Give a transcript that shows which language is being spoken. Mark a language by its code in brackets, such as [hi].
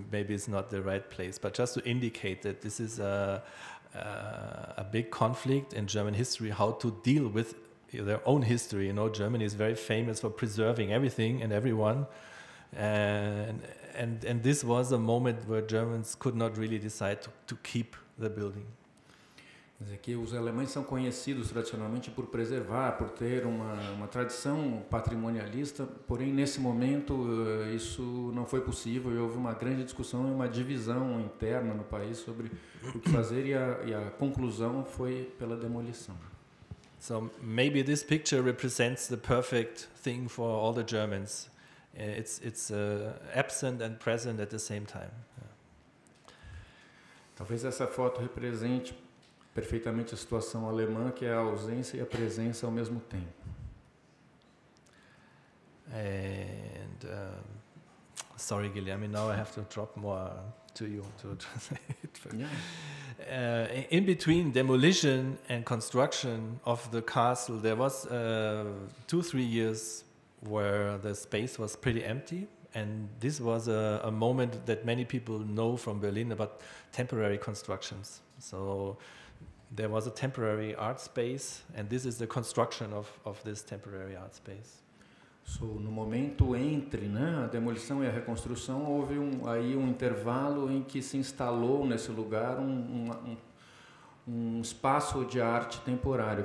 [en] Maybe it's not the right place, but just to indicate that this is a big conflict in German history, how to deal with their own history. You know, Germany is very famous for preserving everything and everyone. And this was a moment where Germans could not really decide to keep the building. [pt] Mas aqui os alemães são conhecidos tradicionalmente por preservar, por ter uma tradição patrimonialista, porém, nesse momento, isso não foi possível e houve uma grande discussão e uma divisão interna no país sobre o que fazer, e a conclusão foi pela demolição. [en] So maybe this picture represents the perfect thing for all the Germans. It's absent and present at the same time. [pt] Talvez essa foto represente perfeitamente a situação alemã, que é a ausência e a presença ao mesmo tempo. [en] And sorry, Guilherme, now I have to drop more to you to translate. In between demolition and construction of the castle, there was 2-3 years where the space was pretty empty, and this was a moment that many people know from Berlin about temporary constructions. So there was a temporary art space, and this is the construction of this temporary art space. [pt] So, no momento entre, né, a demolição e a reconstrução, houve um intervalo em que se instalou nesse lugar um espaço de arte temporário.